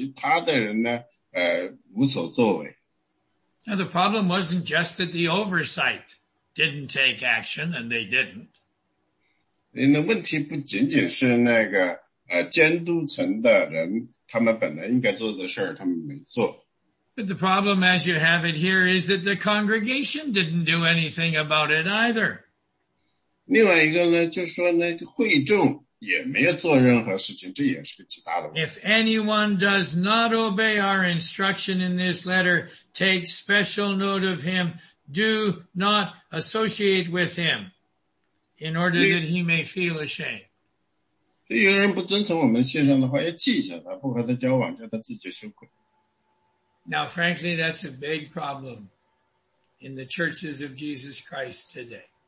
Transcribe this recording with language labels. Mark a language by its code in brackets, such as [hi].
[zh] 这个问题不仅仅是那两个人在一起犯了一个极大的罪。这个问题呢，是整个的教会的其他的人呢，无所作为。 [en] Now the problem wasn't just that the oversight didn't take action, and they didn't. [zh] 那问题不仅仅是那个监督层的人，他们本来应该做的事儿，他们没做。 [en] But the problem as you have it here is that the congregation didn't do anything about it either. [zh] 另外一个呢，就是说呢，会众也没有做任何事情，这也是个极大的问题。 [en] If anyone does not obey our instruction in this letter, take special note of him. Do not associate with him. In order that he may feel ashamed. Now, frankly, that's a big problem in the churches of Jesus Christ today.